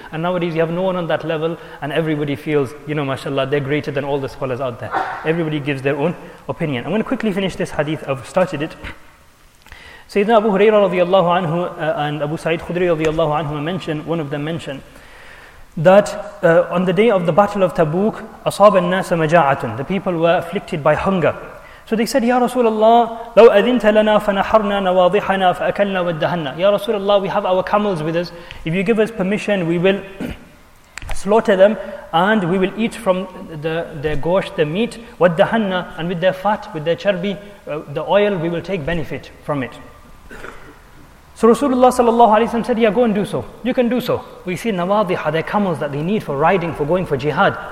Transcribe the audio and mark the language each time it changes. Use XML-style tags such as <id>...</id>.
<en>And nowadays you have no one on that level and everybody feels, you know, mashallah, they're greater than all the scholars out there. Everybody gives their own opinion. I'm going to quickly finish this hadith. I've started it. Sayyidina Abu Huraira radiallahu anhu and Abu Sa'id Khudri radiallahu anhu mentioned that on the day of the Battle of Tabuk, أصاب الناس مجاعة, the people were afflicted by hunger.</en> <ar>So they said, Ya Rasulullah, لو أذنت لنا فنحرنا نواضحنا فأكلنا ودهنا.</ar> <en>Ya Rasulullah, we have our camels with us. If you give us permission, we will slaughter them and we will eat from their gosh, the meat, ودهنا, and with their fat, with their charbi, the oil, we will take benefit from it. So Rasulullah sallallahu alayhi wa sallam said, yeah, go and do so. You can do so. We see nawadiha, their camels that they need for riding, for going for jihad.</en>